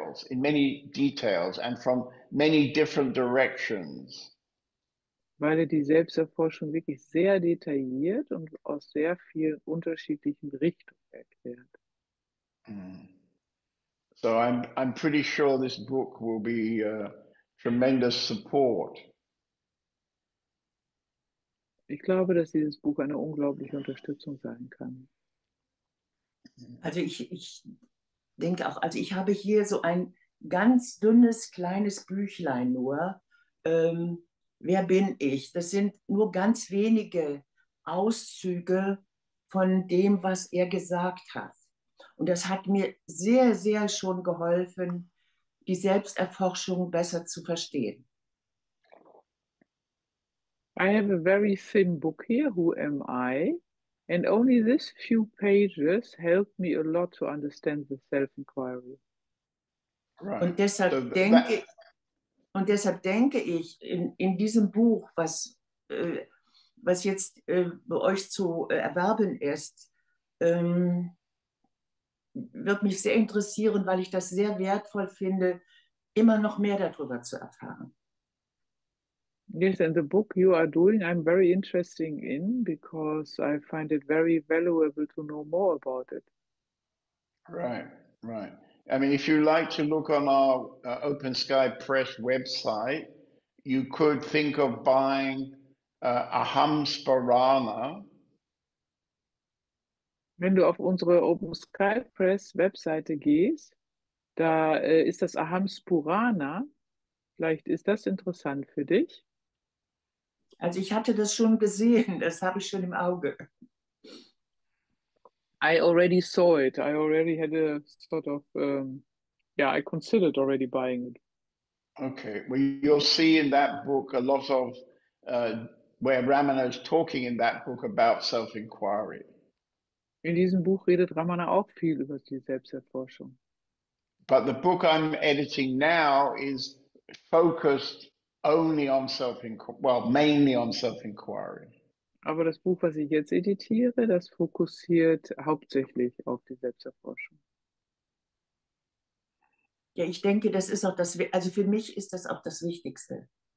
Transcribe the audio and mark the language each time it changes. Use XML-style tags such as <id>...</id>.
<en>in many details and from many different directions.</en> <de>Weil er die Selbsterforschung wirklich sehr detailliert und aus sehr vielen unterschiedlichen Richtungen erklärt.</de> <en>So I'm pretty sure this book will be a tremendous support.</en> <de>Ich glaube, dass dieses Buch eine unglaubliche Unterstützung sein kann. Also ich denke auch, also ich habe hier so ein ganz dünnes, kleines Büchlein nur. Wer bin ich? Das sind nur ganz wenige Auszüge von dem, was er gesagt hat. Und das hat mir sehr, sehr schon geholfen, die Selbsterforschung besser zu verstehen.</de> <en>I have a very thin book here, Who Am I? And only this few pages helped me a lot to understand the self-inquiry. Right.</en> <de>Und deshalb denke ich, in diesem Buch, was jetzt bei euch zu erwerben ist, wird mich sehr interessieren, weil ich das sehr wertvoll finde, immer noch mehr darüber zu erfahren.</de> <en>Yes, and the book you are doing, I'm very interested in, because I find it very valuable to know more about it. Right, right. I mean, if you like to look on our Open Sky Press website, you could think of buying Ahamsmarana.</en> <de>Wenn du auf unsere Open Sky Press Webseite gehst, da ist das Ahamsmarana. Vielleicht ist das interessant für dich. Also ich hatte das schon gesehen, das habe ich schon im Auge.</de> <en>I already saw it. I already had a sort of, I considered already buying it. Okay. Well, you'll see in that book a lot of where Ramana is talking in that book about self-inquiry.</en> <de>In diesem Buch redet Ramana auch viel über die Selbsterforschung.</de> <en>But the book I'm editing now is focused only on mainly on self-inquiry.</en> <de>Aber das Buch, was ich jetzt editiere, das fokussiert hauptsächlich auf die Selbsterforschung. Ja, ich denke, das ist auch das, also für mich ist das auch das Wichtigste.</de>